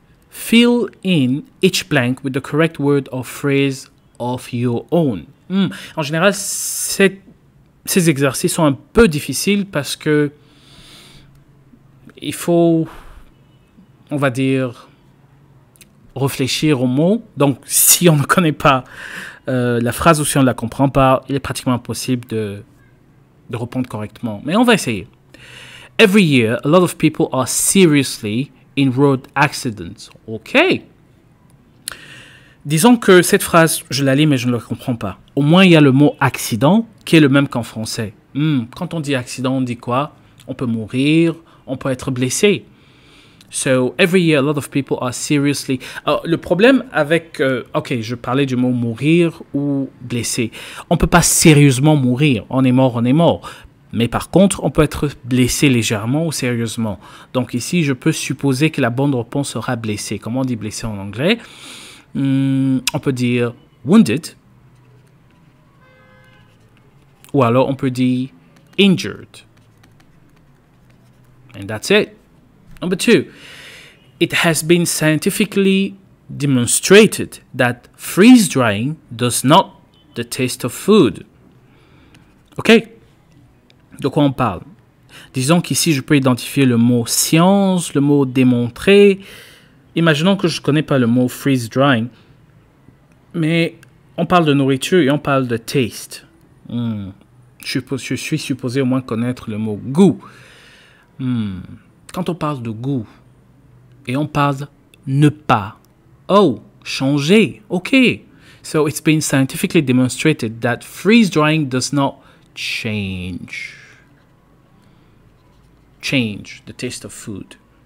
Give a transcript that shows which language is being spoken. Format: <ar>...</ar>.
<en>Fill in each blank with the correct word or phrase of your own.</en> <fr>En général, ces exercices sont un peu difficiles parce que il faut, on va dire, réfléchir aux mots. Donc, si on ne connaît pas la phrase ou si on ne la comprend pas, il est pratiquement impossible de répondre correctement. Mais on va essayer.</fr> <en>Every year, a lot of people are seriously in road accidents. OK.</en> <fr>Disons que cette phrase, je la lis, mais je ne la comprends pas. Au moins, il y a le mot « accident » qui est le même qu'en français. Quand on dit « accident », on dit quoi? On peut mourir, on peut être blessé.</fr> <en>So, every year, a lot of people are seriously...</en> <fr>le problème avec... je parlais du mot mourir ou blessé. On ne peut pas sérieusement mourir. On est mort. Mais par contre, on peut être blessé légèrement ou sérieusement. Donc ici, je peux supposer que la bonne réponse sera blessé. Comment on dit blessé en anglais? On peut dire</fr> <en>wounded.</en> <fr>Ou alors on peut dire injured.</fr> <en>And that's it. Number two, it has been scientifically demonstrated that freeze drying does not the taste of food.</en> <fr>Ok, de quoi on parle? Disons qu'ici je peux identifier le mot science, le mot démontrer. Imaginons que je ne connais pas le mot freeze drying, mais on parle de nourriture et on parle de taste. Je suis supposé au moins connaître le mot goût. Quand on parle de goût et on parle ne pas, oh, changer, ok.</fr> <en>So it's been scientifically demonstrated that freeze drying does not change the taste of food.</en>